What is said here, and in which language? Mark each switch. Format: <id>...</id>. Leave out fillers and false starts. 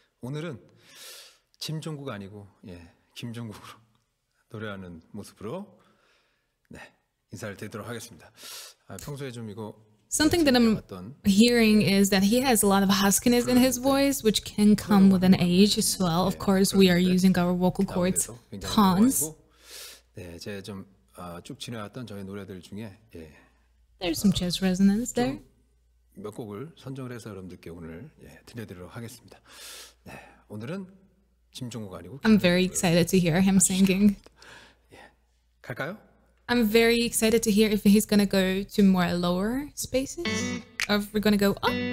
<ko>오늘은 김종국 아니고, 예, 김종국으로 노래하는 모습으로, 네. 인사를 드리도록 하겠습니다. 아, 평소에 좀 이거</ko> <en>Something that I'm hearing is that he has a lot of huskiness in his voice, which can come with an age as well. Of course, we are using our vocal cords tons.</en> <ko>네, 제 좀 쭉 지내왔던 저의 노래들 중에 예.</ko> <en>There's some jazz resonance there.</en> <ko>몇 곡을 선정을 해서 여러분들께 오늘 예, 들려드리도록 하겠습니다. 네, 오늘은 김종국 아니고</ko> <en>I'm very excited to hear him singing.</en> <ko>예. 갈까요?</ko> <en>I'm very excited to hear if he's gonna go to more lower spaces or if we're gonna go up.</en>